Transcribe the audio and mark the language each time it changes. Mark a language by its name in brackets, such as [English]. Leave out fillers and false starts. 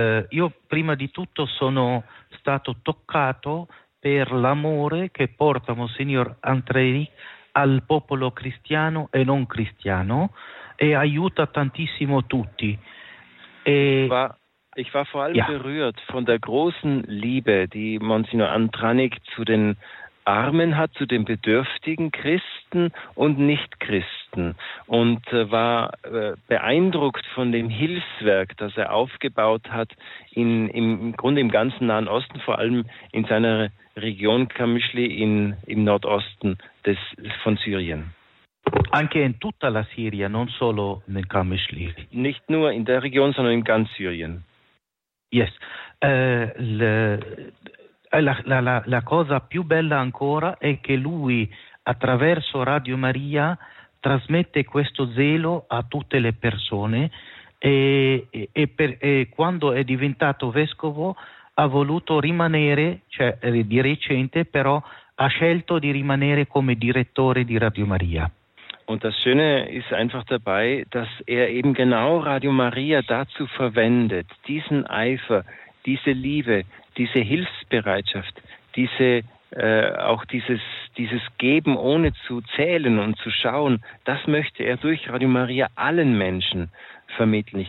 [Italian] Io prima di tutto sono stato toccato per l'amore che porta Monsignor Antranik al popolo cristiano e non cristiano, e aiuta tantissimo tutti. [German] Ich war vor allem berührt von der großen Liebe, die Monsignor Antranik zu den Armen hat, zu den bedürftigen Christen und Nicht-Christen, und war beeindruckt von dem Hilfswerk, das er aufgebaut hat, im Grunde im ganzen Nahen Osten, vor allem in seiner Region Kamischli im Nordosten von Syrien. [Italian] Anche in tutta la Siria, non solo nel Kamischli. [German] Nicht nur in der Region, sondern in ganz Syrien. [English] Yes. [Italian] La cosa più bella ancora è che lui, attraverso Radio Maria, trasmette questo zelo a tutte le persone, e quando è diventato vescovo ha voluto rimanere, cioè di recente, però ha scelto di rimanere come direttore di Radio Maria. [German] Und das Schöne ist einfach dabei, dass er eben genau Radio Maria dazu verwendet, diesen Eifer, diese Liebe, diese Hilfsbereitschaft, dieses Geben ohne zu zählen und zu schauen, das möchte er durch Radio Maria allen Menschen vermitteln.